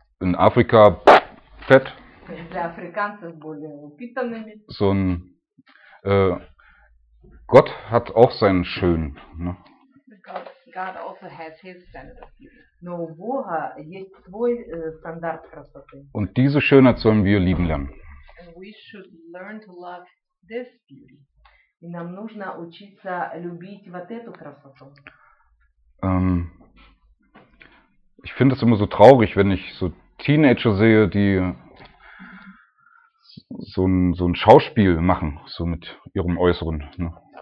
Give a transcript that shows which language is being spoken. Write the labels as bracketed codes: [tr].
[de] In Africa fett. [ru] Для африканцев более упитанными. [de] So ein Gott hat auch sein Schön. Ne? [en] God also has his standard of beauty. [ru] Но у Бога есть свой стандарт красоты. [de] Und diese Schönheit sollen wir lieben lernen. [en] And we should learn to love this beauty. [ru] И нам нужно учиться любить вот эту красоту. [de] Ich finde es immer so traurig, wenn ich so Teenager sehe, die so ein Schauspiel machen, so mit ihrem Äußeren, ne?